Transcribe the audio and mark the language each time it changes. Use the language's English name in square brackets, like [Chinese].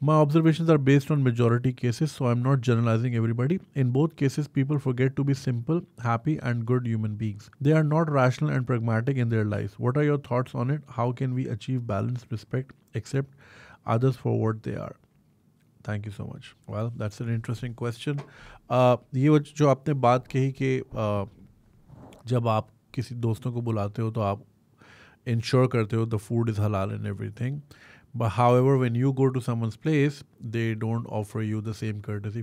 [English] My observations are based on majority cases, so I'm not generalizing everybody. In both cases, people forget to be simple, happy, and good human beings. They are not rational and pragmatic in their lives. What are your thoughts on it? How can we achieve balance, respect, accept others for what they are? Thank you so much. Well, that's an interesting question. [Hindi] ये जो आपने बात कही कि जब आप किसी दोस्तों को बुलाते हो तो आप ensure करते हो [English] the food is halal and everything. But however, when you go to someone's place, they don't offer you the same courtesy.